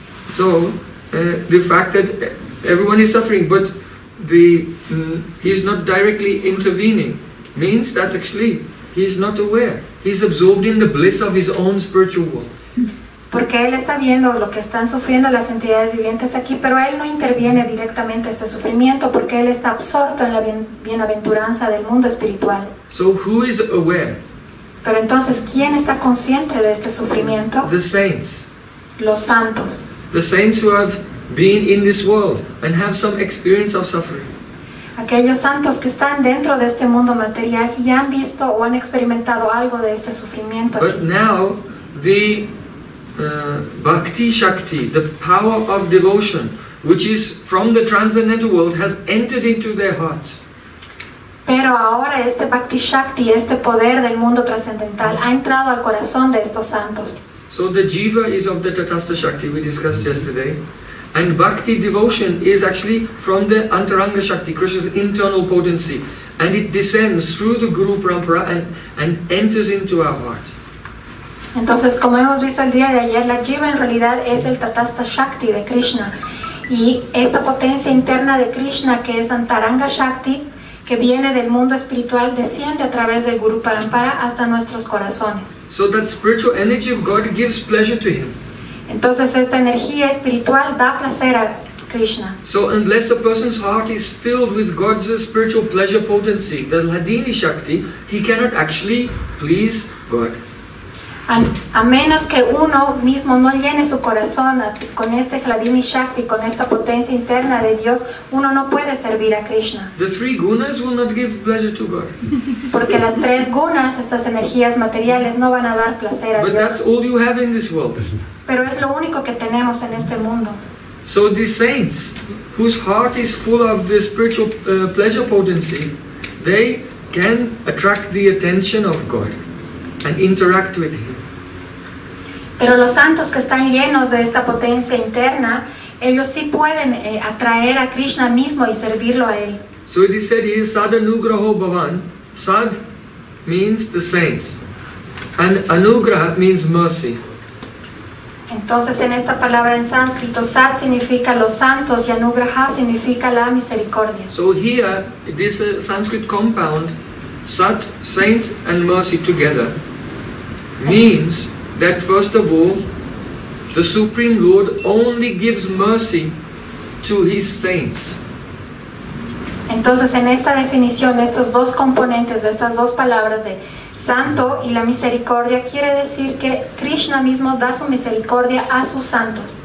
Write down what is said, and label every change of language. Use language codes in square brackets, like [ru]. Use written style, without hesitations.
[en] So, the fact that everyone is suffering, but the he's not directly intervening, means that actually he's not aware. He's absorbed in the bliss of his own spiritual world. [es] Porque él está viendo lo que están sufriendo las entidades vivientes aquí, pero él no interviene directamente este sufrimiento porque él está absorto en la bienaventuranza del mundo espiritual. [en] So who is aware? [es] Pero entonces, ¿quién está consciente de este sufrimiento? [en] The saints. [es] Los santos. [en] The saints who have been in this world and have some experience of suffering. [es] Aquellos santos que están dentro de este mundo material y han visto o han experimentado algo de este sufrimiento. [en] But now the bhakti shakti, the power of devotion, which is from the transcendental world, has entered into their hearts. [es] Pero ahora este bhakti shakti, este poder del mundo trascendental, ha entrado al corazón de estos santos. [en] So the jiva is of the tatastha shakti we discussed yesterday, and bhakti devotion is actually from the antaranga shakti, Krishna's internal potency, and it descends through the guru parampara and enters into our heart. [es] Entonces, como hemos visto el día de ayer, la jiva en realidad es el tatastha shakti de Krishna. Y esta potencia interna de Krishna, que es antaranga shakti, que viene del mundo espiritual, desciende a través del guru parampara hasta nuestros corazones. [en] So that spiritual energy of God gives pleasure to him. [es] Entonces, esta energía espiritual da placer a Krishna. [en] So unless a person's heart is filled with God's spiritual pleasure potency, the ladini shakti, he cannot actually please God. [es] A menos que uno mismo no llene su corazón con este Hladini Shakti, con esta potencia interna de Dios, uno no puede servir a Krishna. [en] The three gunas will not give pleasure to God. [es] Porque las tres gunas, estas energías materiales, no van a dar placer a [en] But [es] Dios. [en] That's all you have in this world. [es] Pero es lo único que tenemos en este mundo. [en] So these saints, whose heart is full of the spiritual pleasure potency, they can attract the attention of God and interact with him. [es] Pero los santos que están llenos de esta potencia interna, ellos sí pueden atraer a Krishna mismo y servirlo a él. [en] So it is said he is sadanugraho bhavan. Sad means the saints, and anugraha means mercy. [es] Entonces en esta palabra en sánscrito, sad significa los santos y anugraha significa la misericordia. [en] So here this Sanskrit compound, sad, saint and mercy together, means that first of all, the Supreme Lord only gives mercy to his saints. [es] Entonces, en esta definición, estos dos componentes de estas dos palabras de santo y la misericordia quiere decir que Krishna mismo da su misericordia a sus santos.